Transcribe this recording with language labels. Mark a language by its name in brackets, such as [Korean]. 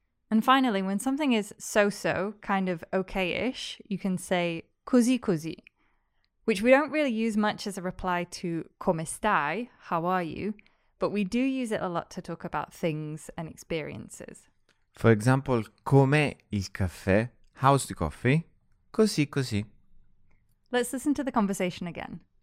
[English] And finally, when something is so-so, kind of okay-ish, you can say così-così, which we don't really use much as a reply to come stai, how are you, but we do use it a lot to talk about things and experiences. [Italian] For example, com'è il caffè? [English] How's the coffee? Così-così. Let's listen to the conversation again.